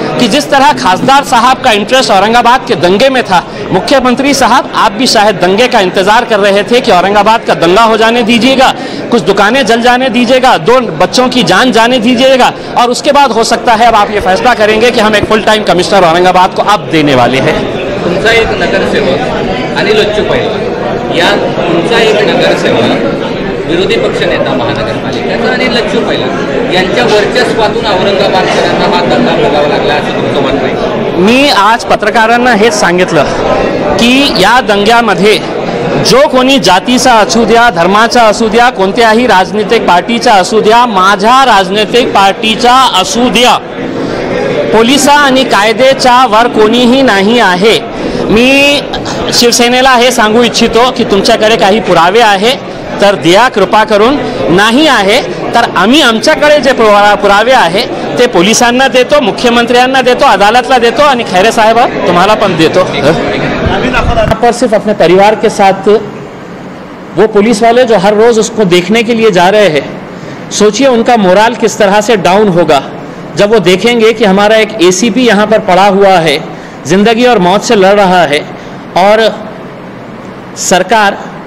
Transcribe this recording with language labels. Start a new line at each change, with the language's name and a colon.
Hindi: कि जिस तरह खासदार साहब का इंटरेस्ट औरंगाबाद के दंगे में था, मुख्यमंत्री साहब आप भी शायद दंगे का इंतजार कर रहे थे कि औरंगाबाद का दंगा हो जाने दीजिएगा, कुछ दुकानें जल जाने दीजिएगा, 2 बच्चों की जान जाने दीजिएगा और उसके बाद हो सकता है अब आप ये फैसला करेंगे कि हम एक फुल टाइम कमिश्नर औरंगाबाद को अब देने वाले हैं।
Marathi: तुमचा एक नगरसेवक अनिल अच्छू पैलवान या तुमचा एक नगरसेवक विरोधी पक्ष नेता महानगरपालिकेचा अनिल अच्छू पैलवान यांच्या वर्चस्वातून औरंगाबाद शहरांना हा दंगा भोगावा लागला असं तुमचं म्हणणं आहे? मी आज पत्रकारांना हेच सांगितलं की या दंग्यामध्ये जो कोणी जातीचा असू द्या, धर्माचा असू द्या, कोणत्याही राजनीतिक पार्टीचा असू द्या, माझ्या राजनीतिक पार्टीचा असू द्या, पोलिसा आणि कायदेच्या वर कोणीही नाही आहे। मी शिवसेनेला हे सांगू इच्छितो की तुमच्याकडे काही पुरावे आहे तर द्या कृपा करून, नाही आहे तर आम्ही आमच्याकडे जे पुरावे आहे ते पोलिसांना देतो, मुख्यमंत्र्यांना देतो, अदालतला देतो आणि खैरे साहेब तुम्हाला पण देतो।
Hindi: पर सिर्फ अपने परिवार के साथ वो पुलिस वाले जो हर रोज उसको देखने के लिए जा रहे हैं, सोचिए उनका मोराल किस तरह से डाउन होगा जब वो देखेंगे कि हमारा एक एसीपी यहां पर पड़ा हुआ है, जिंदगी और मौत से लड़ रहा है और सरकार,